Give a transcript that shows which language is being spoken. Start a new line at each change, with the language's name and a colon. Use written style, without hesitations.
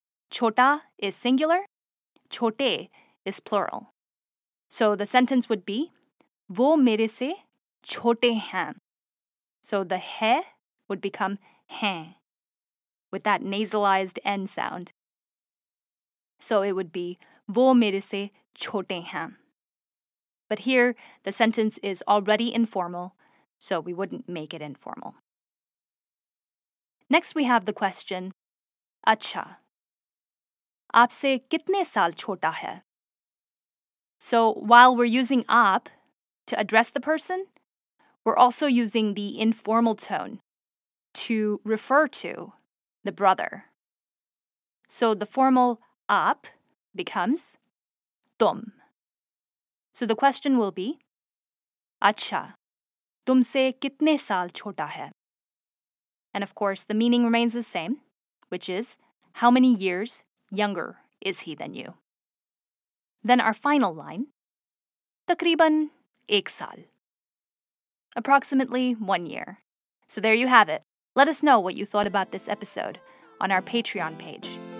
English: Chota is singular, chote is plural. So the sentence would be,
Hindi: वो मेरे से छोटे हैं.
English: So the he would become hain with that nasalized N sound. So it would be,
Hindi: वो मेरे से छोटे हैं.
English: But here, the sentence is already informal, so we wouldn't make it informal. Next, we have the question,
Hindi: अच्छा, आपसे कितने साल छोटा है?
English: So while we're using आप to address the person, we're also using the informal tone to refer to the brother. So the formal आप becomes तुम. So the question will be,
Hindi: अच्छा, तुमसे कितने साल छोटा है?
English: And of course, the meaning remains the same, which is, how many years younger is he than you? Then our final line,
Hindi: तकरीबन एक साल.
English: Approximately 1 year. So there you have it. Let us know what you thought about this episode on our Patreon page.